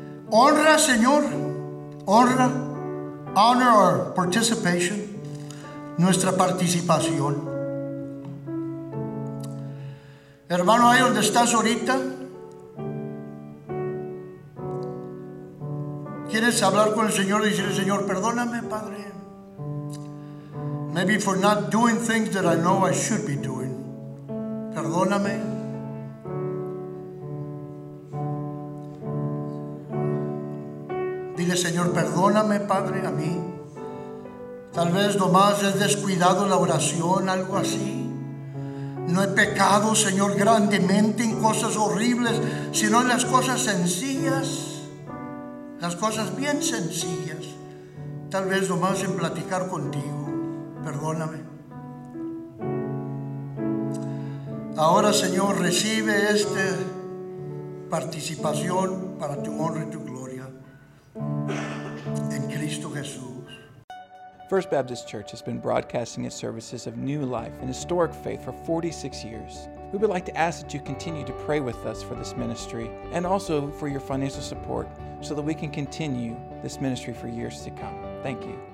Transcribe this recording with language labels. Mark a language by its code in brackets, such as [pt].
[es] Honra, Señor, honra, [en] honor our participation, [es] nuestra participación. Hermano, ahí donde estás ahorita, ¿quieres hablar con el Señor y decirle, Señor, perdóname, Padre? [en] Maybe for not doing things that I know I should be doing. [es] Perdóname. Dile, Señor, perdóname, Padre, a mí. Tal vez nomás he descuidado la oración, algo así. No he pecado, Señor, grandemente en cosas horribles, sino en las cosas sencillas. Las cosas bien sencillas. Tal vez nomás en platicar contigo. Perdóname. Ahora, Señor, recibe esta participación para tu honra y tu gloria. En Cristo Jesús. [en] First Baptist Church has been broadcasting its services of new life and historic faith for 46 years. We would like to ask that you continue to pray with us for this ministry and also for your financial support so that we can continue this ministry for years to come. Thank you.